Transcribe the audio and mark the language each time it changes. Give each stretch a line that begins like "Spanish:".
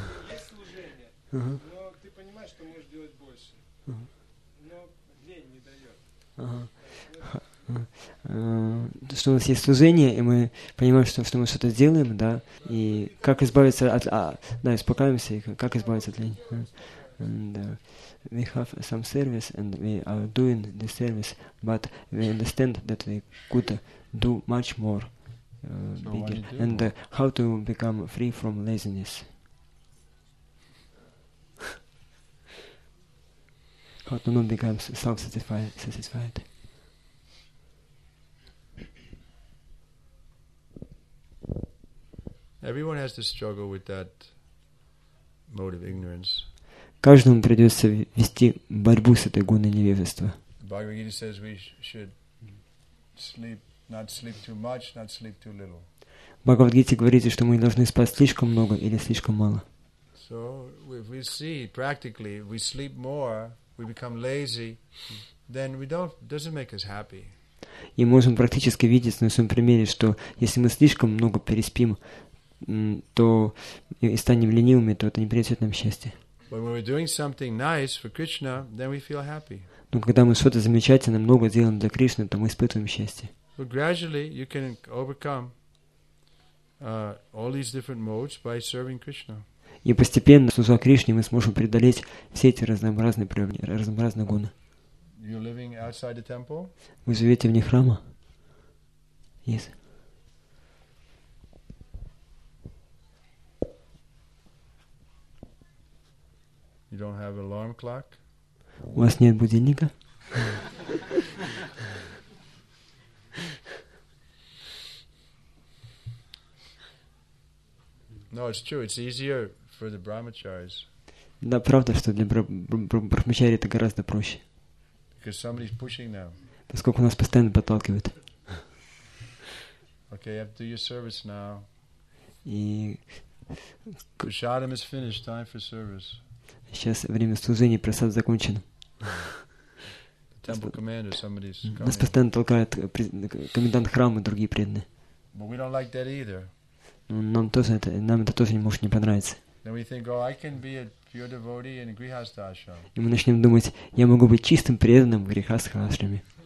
Russian: Есть служение, но ты понимаешь, что можешь делать больше, но лень не дает. Что у нас есть служение, и мы понимаем, что мы что-то делаем, да, и как избавиться от... Да, успокаиваемся, и как избавиться от лени?
English: We have some service, and we are doing the service, but we understand that we could do much more. Bigger. So and how to become free from laziness? How to not become self-satisfied? Everyone has to struggle with that mode of ignorance.
Russian: Каждому придется вести борьбу с этой гуной невежества.
English: Бхагавад-гита says we should sleep. Not sleep too much, not sleep too little.
Russian: Бхагавад-гите говорится, что мы не должны спать слишком много или слишком мало.
English: So if we see practically, if we sleep more, we become lazy, then we don't doesn't make us happy.
Russian: И можем практически видеть на своем примере, что если мы слишком много переспим, то и станем ленивыми, то это не принесет нам счастья.
English: But when we're doing something nice for Krishna, then we feel happy.
Russian: Но когда мы что-то замечательное много делаем для Кришны, то мы испытываем счастье.
English: But gradually you can overcome all these different modes by serving Krishna.
Russian: И постепенно, служа Кришне, мы сможем преодолеть все эти разнообразные приемы, разнообразные гуны.
English: You're living outside the temple?
Russian: Вы живете вне храма?
English: Yes. You don't have alarm clock?
Russian: У вас нет будильника?
English: No, it's true. It's easier for the brahmacharis.
Russian: Да, правда, что для брахмачари это гораздо проще.
English: Because somebody's pushing them.
Russian: Поскольку нас постоянно подталкивают.
English: Okay, you have to do your service now.
Russian: И
English: Prasadam is finished. Time for service.
Russian: Сейчас время служения, прасад закончен.
English: The temple commander, somebody's coming.
Russian: Нас постоянно толкают комендант храма и другие преданные.
English: But we don't like that either.
Russian: Нам это тоже может не понравиться. И мы начнем думать, я могу быть чистым преданным в грихастха ашраме.